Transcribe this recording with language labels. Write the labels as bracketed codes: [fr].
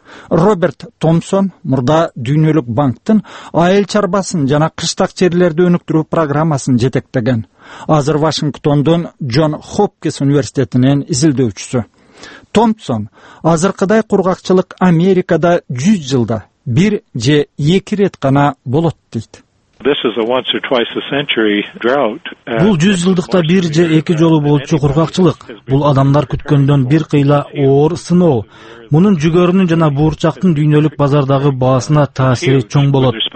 [ky] Роберт Томсон мурда дүйнөлүк банктын айыл чарбасын жана кыштак жерлерди өнүктүрүү программасын жетектеген. Азыр Вашингтондун Джон Хопкинс университетинин изилдөөчүсү. Томсон азыркыдай кургакчылык Америкада 100 жылда 1-2 рет гана болот дейт. [en] This is a once or twice a century drought. [ky] Бул 100 жылдыкта 1-2 жолу болчу кургакчылык. Бул адамдар күткөндөн бир кыйла оор сыноо. Мунун жүгөрүнүн жана буурчактын дүйнөлүк базардагы баасына таасири чоң болот.